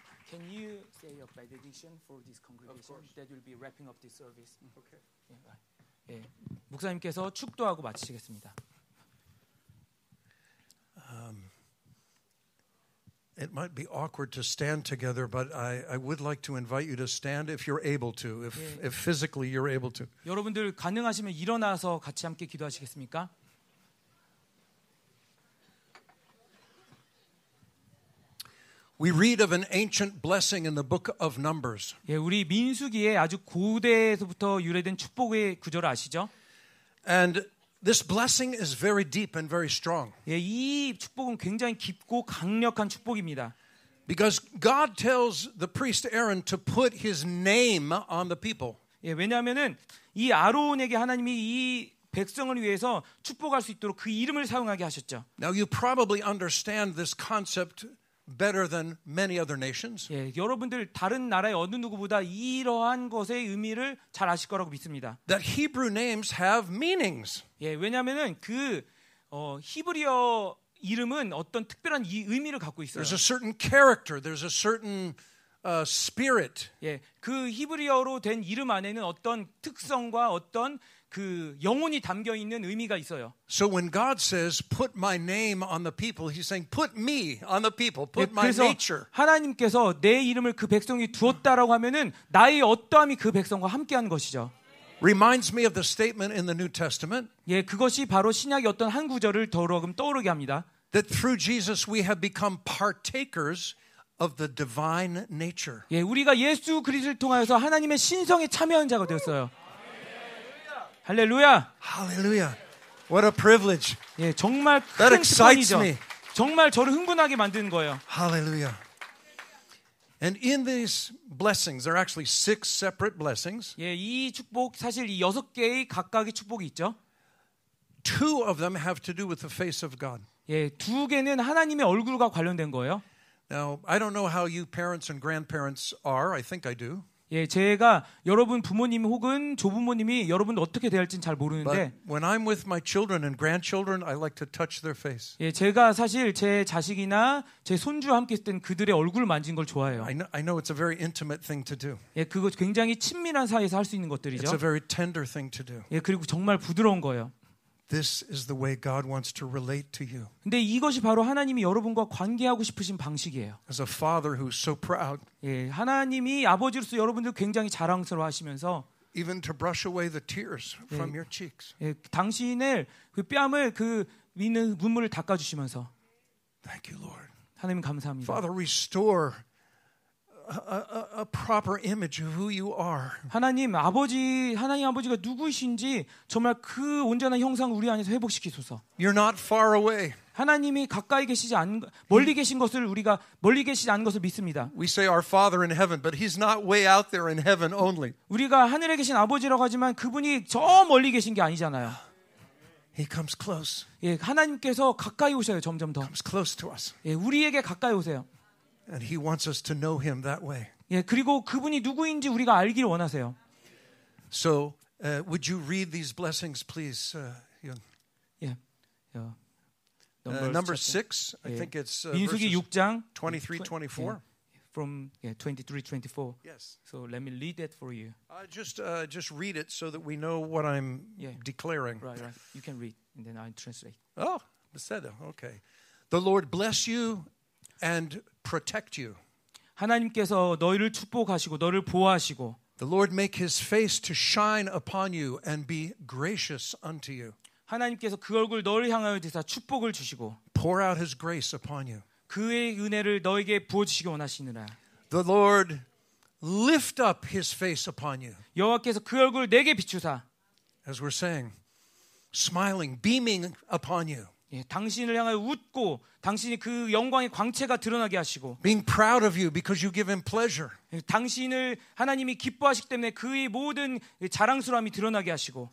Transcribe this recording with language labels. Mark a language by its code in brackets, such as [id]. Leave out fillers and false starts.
[en] Can you say your benediction for this congregation that will be wrapping up this service? Okay. [ko] 예, 목사님께서 축도하고 마치시겠습니다. [en] It might be awkward to stand together, but I would like to invite you to stand if you're able to, if physically you're able to. [ko] 여러분들 가능하시면 일어나서 같이 함께 기도하시겠습니까? [en] We read of an ancient blessing in the book of Numbers. [ko] 예, 우리 민수기에 아주 고대에서부터 유래된 축복의 구절을 아시죠? [en] And this blessing is very deep and very strong. [ko] 예, 이 축복은 굉장히 깊고 강력한 축복입니다. [en] Because God tells the priest Aaron to put his name on the people. [ko] 예, 왜냐하면은 이 아론에게 하나님이 이 백성을 위해서 축복할 수 있도록 그 이름을 사용하게 하셨죠. [en] Now you probably understand this concept better than many other nations. [ko] 예, 여러분들 다른 나라의 어느 누구보다 이러한 것의 의미를 잘 아실 거라고 믿습니다. [en] That Hebrew names have meanings. [ko] 예, 왜냐하면은 그 히브리어 이름은 어떤 특별한 이 의미를 갖고 있어요. [en] There's a certain character. There's a certain spirit. [ko] 예, 그 히브리어로 된 이름 안에는 어떤 특성과 어떤 그 영혼이 담겨 있는 의미가 있어요. [en] So when God says put my name on the people, he's saying put me on the people, put my nature. [ko] 하나님께서 내 이름을 그 백성이 두었다라고 하면은 나의 어떠함이 그 백성과 함께한 것이죠. [en] Reminds me of the statement in the New Testament. [ko] 예, 그것이 바로 신약의 어떤 한 구절을 더러금 떠오르게 합니다. [en] That through Jesus we have become partakers of the divine nature. [ko] 예, 우리가 예수 그리스도를 통하여서 하나님의 신성에 참여한 자가 되었어요. [en] Hallelujah. Hallelujah. What a privilege. [ko] 예, 정말 [en] That excites [ko] 특권이죠. [en] me. [ko] 정말 저를 흥분하게 만드는 거예요. [en] Hallelujah. And in these blessings, there are actually six separate blessings. [ko] 예, 이 축복 사실 이 여섯 개의 각각의 축복이 있죠. [en] Two of them have to do with the face of God. [ko] 예, 두 개는 하나님의 얼굴과 관련된 거예요. [en] Now, I don't know how you parents and grandparents are. I think I do. [ko] 예, 제가 여러분 부모님 혹은 조부모님이 여러분 어떻게 대할진 잘 모르는데 [en] But when I'm with my children and grandchildren I like to touch their face. [ko] 예, 제가 사실 제 자식이나 제 손주와 함께 있을 땐 그들의 얼굴을 만진 걸 좋아해요. [en] I know it's a very intimate thing to do. [ko] 예, 그거 굉장히 친밀한 사이에서 할 수 있는 것들이죠. [en] It's a very tender thing to do. [ko] 예, 그리고 정말 부드러운 거예요. [en] This is the way God wants to relate to you. [ko] 근데 이것이 바로 하나님이 여러분과 관계하고 싶으신 방식이에요. [en] As a father who's so proud. [ko] 예, 하나님이 아버지로서 여러분들 굉장히 자랑스러워하시면서 [en] Even to brush away the tears from your cheeks. [ko] 예, 당신의 그 뺨을 그 있는 눈물을 닦아 주시면서 [en] Thank you, Lord. [ko] 하나님 감사합니다. [en] Father, restore a proper image of who you are. [ko] 하나님 아버지 하나님 아버지가 누구이신지 정말 그 온전한 형상 우리 안에서 회복시키소서. [en] You're not far away. [ko] 하나님이 가까이 계시지 않 멀리 계신 것을 우리가 멀리 계시지 않은 것을 믿습니다. [en] We say our Father in heaven, but He's not way out there in heaven only. [ko] 우리가 하늘에 계신 아버지라고 하지만 그분이 저 멀리 계신 게 아니잖아요. [en] He comes close. [ko] 예, 하나님께서 가까이 오셔요 점점 더. [en] Comes close to us. [ko] 예, 우리에게 가까이 오세요. [en] And He wants us to know Him that way. [ko] 예, 그리고 그분이 누구인지 우리가 알기를 원하세요. [en] So, would you read these blessings, please, Yun? [ko] 예, 예. [en] Number 6, I think it's verses 23-24. From 23-24. Yes. So let me read that for you. Just read it so that we know what I'm declaring. Right, right. You can read, and then I'll translate. Oh, beseda, okay. The Lord bless you and protect you. [ko] 하나님께서 너희를 축복하시고 너를 보호하시고. [en] The Lord make His face to shine upon you and be gracious unto you. [ko] 하나님께서 그 얼굴 너를 향하여 드사 축복을 주시고 [en] Pour out His grace upon you. [ko] 그의 은혜를 너에게 부어주시기 원하시느라 [en] The Lord lift up His face upon you. [ko] 여호와께서 그 얼굴 내게 비추사 [en] As we're saying, smiling, beaming upon you. [ko] 예, 당신을 향하여 웃고 당신이 그 영광의 광채가 드러나게 하시고 [en] Being proud of you because you give Him pleasure. [ko] 예, 당신을 하나님이 기뻐하시기 때문에 그의 모든 자랑스러움이 드러나게 하시고